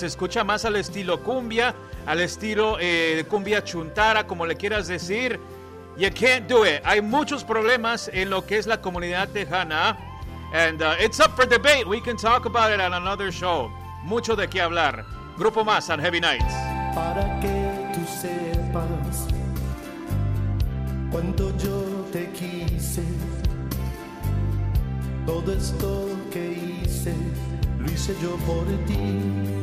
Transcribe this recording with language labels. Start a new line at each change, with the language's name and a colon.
Spanish: Se escucha más al estilo cumbia, al estilo cumbia chuntara, como le quieras decir.
English: You can't do it.
Spanish: Hay muchos problemas en lo que es la comunidad tejana.
English: And it's up for debate. We can talk about it on another show.
Spanish: Mucho de qué hablar. Grupo Más on Heavy Nights. Para que tú sepas cuánto yo te quise, todo esto que hice lo hice yo por ti.